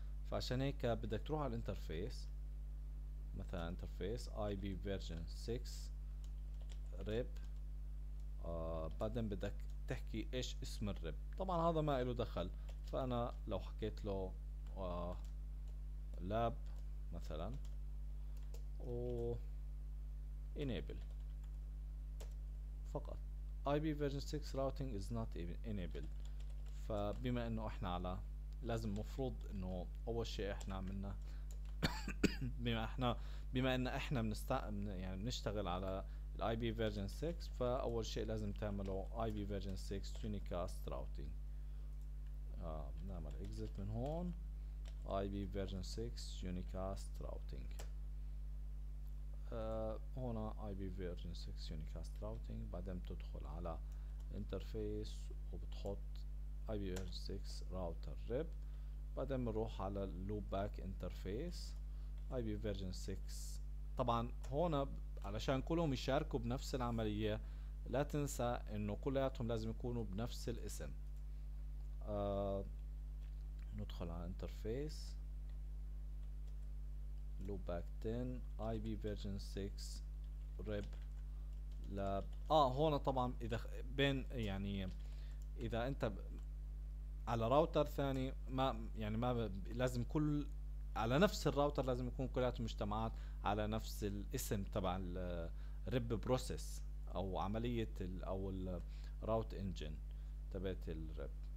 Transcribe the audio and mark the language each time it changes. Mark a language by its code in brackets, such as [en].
[ar] فعشان هيك بدك تروح على الانترفيس، مثلا انترفيس اي بي فيرجن 6 ريب، بعدين بدك تحكي ايش اسم الريب. طبعا هذا ما له دخل، فانا لو حكيت له لاب مثلا و enable فقط. [en] IP version 6 routing is not enabled. [ar] فبما انه احنا على لازم مفروض انه اول شيء احنا عملنا بما ان احنا يعني بنشتغل على ال IP version 6، فاول شيء لازم تعمله [en] IP version 6 unicast routing. [ar] نعمل exit من هون. [en] IP version 6 unicast routing. [ar] هنا [en] IP version 6 unicast routing. [ar] بعدين بتدخل على انترفيس وبتحط [en] IP version 6 router rib. [ar] بعدين بنروح على [en] loopback interface IP version 6. [ar] طبعا هنا علشان كلهم يشاركوا بنفس العملية، لا تنسى انه كلياتهم لازم يكونوا بنفس الاسم. ندخل على [en] interface loopback 10 IP version 6 rib lab. [ar] هون طبعا اذا بين يعني اذا انت على راوتر ثاني ما يعني ما لازم كل على نفس الراوتر لازم يكون كلات مجتمعات على نفس الاسم تبع الريب بروسيس او عملية او الراوت انجن تبعت الريب.